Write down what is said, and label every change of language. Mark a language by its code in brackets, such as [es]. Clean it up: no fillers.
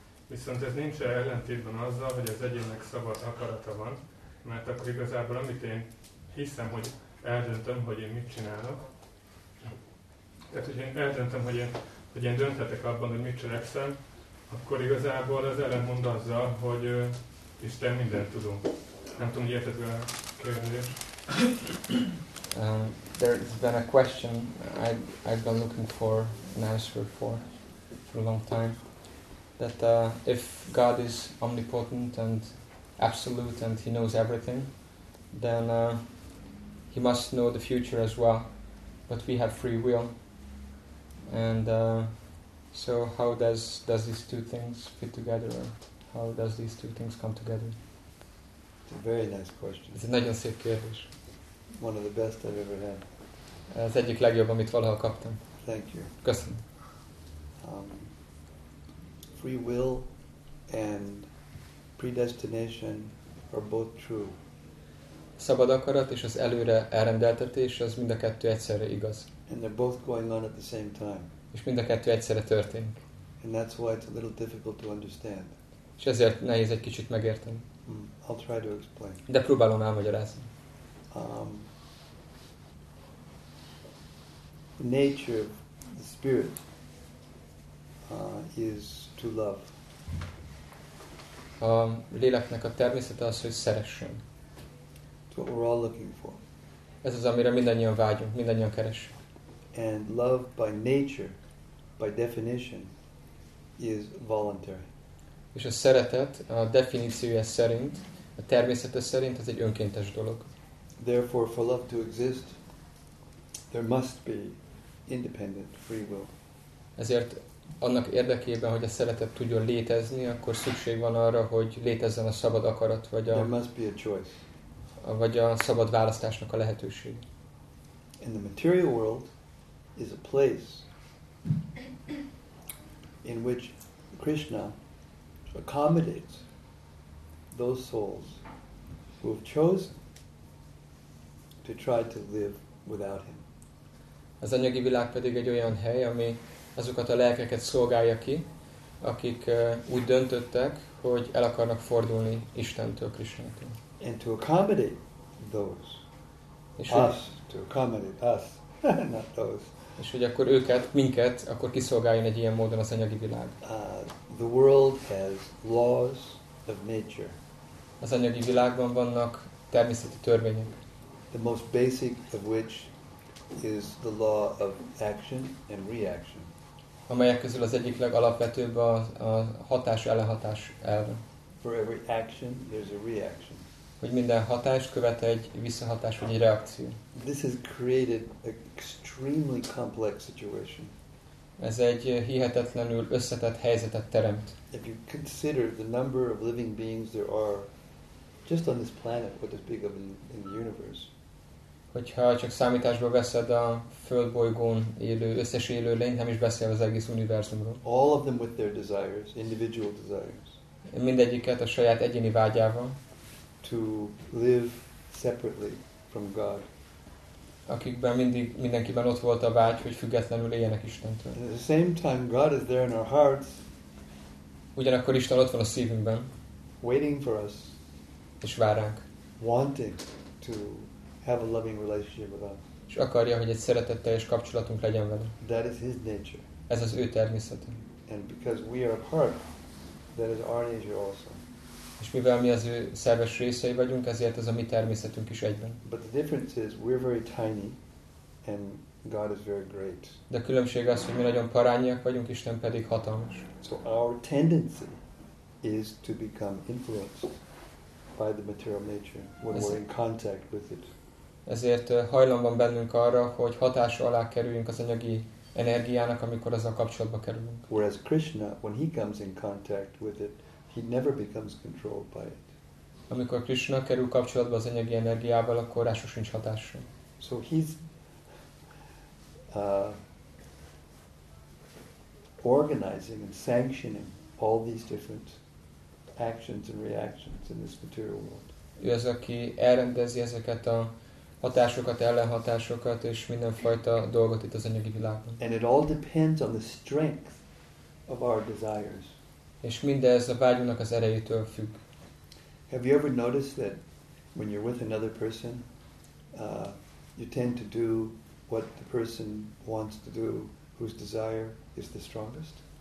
[hu] Viszont ez nincs ellentétben azzal, hogy az egyének szabad akarata van, mert akkor igazából amit én hiszem, hogy eldöntöm, hogy én mit csinálok, tehát, hogy én eldöntöm, hogy én dönthetek abban, hogy mit cselekszem, akkor igazából az ellentmond azzal, hogy Isten mindent tudom. Nem tudom, hogy érted a kérdést. [en] There's been a question I've been looking for an answer for a long time. That if God is omnipotent and absolute and he knows everything, then he must know the future as well. But we have free will. And so how does these two things fit together? How does these two things come together? It's a very nice question. [hu] Ez egy nagyon szép kérdés. [en] One of the best I've ever had. [hu] Az egyik legjobb, amit valaha kaptam. [en] Thank you. [hu] Köszönöm. [en] Free will and predestination are both true. [hu] Szabad akarat és az előre elrendeltetés, az mind a kettő egyszerre igaz. [en] And they're both going on at the same time. [hu] És mind a kettő egyszerre történik. [en] And that's why it's a little difficult to understand. [hu] És ezért nehéz egy kicsit megérteni. [en] I'll try to explain. [hu] De próbálom elmagyarázni. [en] The nature of the spirit is to love. [hu] A léleknek a természete az, hogy szeressen. [en] That's what we're all looking for. [hu] Ez az, amire mindannyian vágyunk, mindannyian keresünk. [en] And love by nature, by definition, is voluntary. [hu] És a szeretet a definíciója szerint, a természete szerint, ez egy önkéntes dolog. [en] Therefore, for love to exist, there must be independent free will. [hu] Ezért annak érdekében, hogy a szeretet tudjon létezni, akkor szükség van arra, hogy létezzen a szabad akarat, vagy a... [en] There must be a choice. [hu] Vagy a szabad választásnak a lehetőség. [en] In the material world, is a place in which Krishna accommodates those souls who have chosen to try to live without him. [hu] Az anyagi világ pedig egy olyan hely, ami azokat a lelkeket szolgálja ki, akik úgy döntöttek, hogy el akarnak fordulni Istentől, Krisnától. [en] And to accommodate those. [hu] És [en] us, to accommodate us, not those. [hu] És hogy akkor őket, minket, akkor kiszolgáljon egy ilyen módon az anyagi világ. [en] The world has laws of nature. [hu] Az anyagi világban vannak természeti törvények. [en] The most basic of which is the law of action and reaction. [hu] Amelyek közül az egyik legalapvetőbb a hatás-elehatás elv. [en] For every action, there's a reaction. [hu] Hogy minden hatást követ egy visszahatás vagy egy reakció. [en] This has created an extremely complex situation. [hu] Ez egy hihetetlenül összetett helyzetet teremt. [en] If you consider the number of living beings there are just on this planet, what is big of in the universe. [hu] Hogyha csak számításba veszed a földbolygón élő összes élő lény, nem is beszél az egész univerzumról. [en] All of them with their desires, individual desires. [hu] Mindegyiket a saját egyéni vágyával. [en] To live separately from God. [hu] Akikben mindenkiben ott volt a vágy, hogy függetlenül éljenek Istentől. [en] At the same time, God is there in our hearts. [hu] Ugyanakkor Isten ott van a szívünkben. [en] Waiting for us. [hu] És vár ránk. [en] Wanting to have a loving relationship with us. [hu] És akarja, hogy egy szeretetteljes kapcsolatunk legyen vele. [en] That is his nature. [hu] Ez az ő természete. [en] And because we are part, that is our nature also. [hu] És mivel mi az ő szerves részei vagyunk, ezért ez a mi természetünk is egyben. [en] But the difference is we're very tiny and God is very great. [hu] De a különbség az, hogy mi nagyon parányiak vagyunk, Isten pedig hatalmas. [en] So our tendency is to become influenced by the material nature when we're in contact with it. [hu] Ezért hajlan van bennünk arra, hogy hatás alá kerüljünk az anyagi energiának, amikor ezzel kapcsolatba kerülünk. [en] Whereas Krishna, when he comes in contact with it, he never becomes controlled by it. [hu] Amikor Krishna kerül kapcsolatba az anyagi energiával, akkor rá sosincs hatása. [en] So his organizing and sanctioning all these different actions and reactions in this material world. [hu] Ő az, aki elrendezi ezeket a hatásokat, ellenhatásokat és mindenfajta dolgot itt az anyagi világban. [en] And it all depends on the strength of our desires. [hu] És mindez a vágyunknak az erejétől függ. [en] Have you ever noticed that when you're with another person, you tend to do what the person wants to do, whose desire is the strongest?